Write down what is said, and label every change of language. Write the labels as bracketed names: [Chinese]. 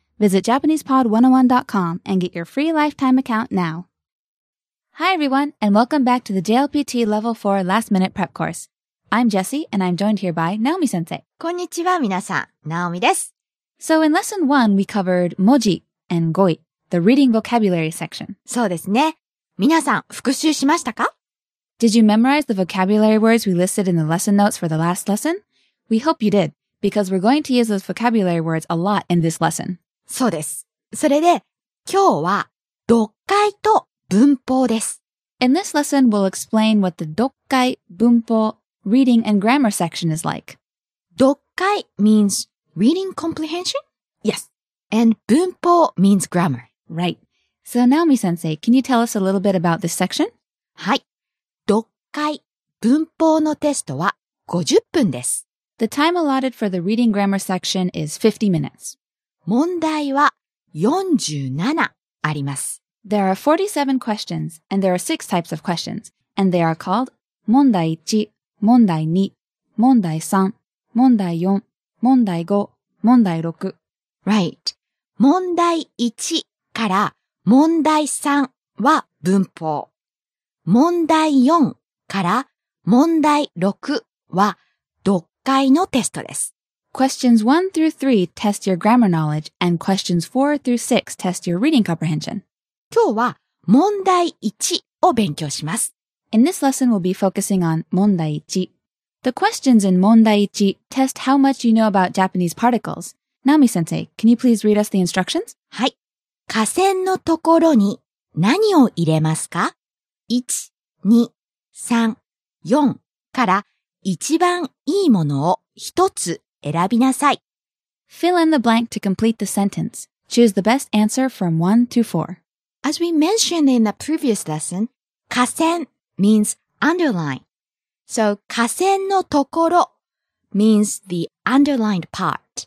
[English] Visit JapanesePod101.com and get your free lifetime account now. Hi everyone, and welcome back to the JLPT Level 4 Last Minute Prep Course. I'm Jessie, and I'm joined here by Naomi-sensei. [Japanese] こんにちは、皆さん。Naomi です。 [English] So in lesson 1, we covered 文字 and 語彙, the reading vocabulary section. [Japanese] そうですね。皆さん、復習しましたか? [English] Did you memorize the vocabulary words we listed in the lesson notes for the last lesson? We hope you did, because we're going to use those vocabulary words a lot in this lesson. [Japanese] そうです。それで、今日は読解と文法です。 [English] In this lesson, we'll explain what the 読解文法Reading and grammar section is like. 読解 means reading comprehension? Yes. And 文法 means grammar. Right. So Naomi-sensei, can you tell us a little bit about this section? [Japanese] はい。読解文法のテストは50分です。 [English] The time allotted for the reading grammar section is 50 minutes. [Japanese] 問題は47あります。 [English] There are 47 questions, and there are 6 types of questions, and they are called 問題1問題2、問題3、問題4、問題5、問題6。 [Japanese] Right. 問題1から問題3は文法。問題4から問題6は読解のテストです。 [English] Questions 1 through 3 test your grammar knowledge and questions 4 through 6 test your reading comprehension. [Japanese] 今日は問題1を勉強します。 [English] In this lesson, we'll be focusing on 問題1. The questions in 問題1 test how much you know about Japanese particles. Naomi-sensei, can you please read us the instructions? [Japanese] はい。下線のところに何を入れますか ?1、2、3、4から一番いいものを一つ選びなさい。 [English] Fill in the blank to complete the sentence. Choose the best answer from 1 to 4. As we mentioned in the previous lesson, 下線means underline. So, [Japanese] 下線のところ [English] means the underlined part.